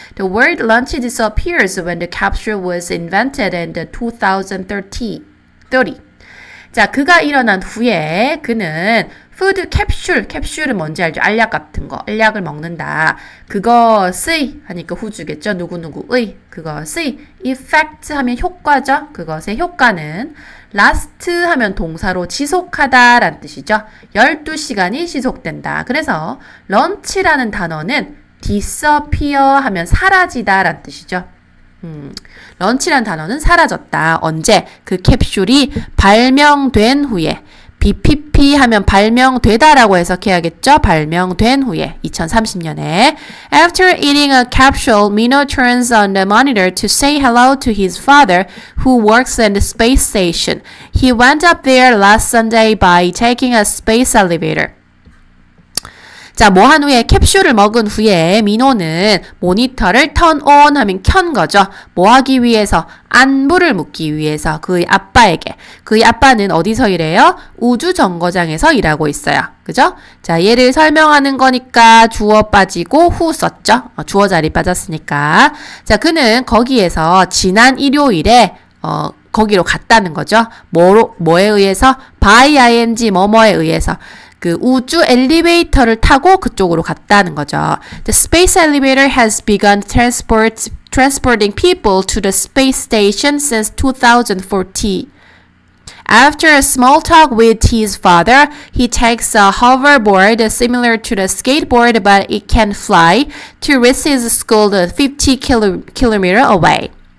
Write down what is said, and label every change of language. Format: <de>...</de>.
<en>The word lunch disappears when the capsule was invented in 2030.</en> <ko>자, 그가 일어난 후에 그는 푸드 캡슐, 캡슐은 뭔지 알죠? 알약 같은 거, 알약을 먹는다. 그것의, 하니까 후주겠죠? 누구누구의, 그것의, effect 하면 효과죠? 그것의 효과는, last 하면 동사로 지속하다 라는 뜻이죠? 12시간이 지속된다. 그래서 런치라는 단어는 disappear 하면 사라지다 라는 뜻이죠? 런치라는 단어는 사라졌다. 언제? 그 캡슐이 발명된 후에. BPP 하면 발명되다라고 해석해야겠죠? 발명된 후에, 2030년에.</ko> <en>After eating a capsule, Mino turns on the monitor to say hello to his father, who works in the space station. He went up there last Sunday by taking a space elevator.</en> <ko>자, 뭐 한 후에, 캡슐을 먹은 후에 미노는 모니터를</ko> <en>turn on</en> <ko>하면 켠 거죠. 뭐 하기 위해서? 안부를 묻기 위해서 그의 아빠에게. 그의 아빠는 어디서 일해요? 우주정거장에서 일하고 있어요. 그죠? 자, 얘를 설명하는 거니까 주어 빠지고 후 썼죠. 주어 자리 빠졌으니까. 자, 그는 거기에서 지난 일요일에 거기로 갔다는 거죠. 뭐에 의해서? by ing 뭐뭐에 의해서. 그 우주 엘리베이터를 타고 그쪽으로 갔다는 거죠.</ko> <en>The space elevator has begun transporting people to the space station since 2040. After a small talk with his father, he takes a hoverboard similar to the skateboard, but it can fly to reach his school 50 km away.</en>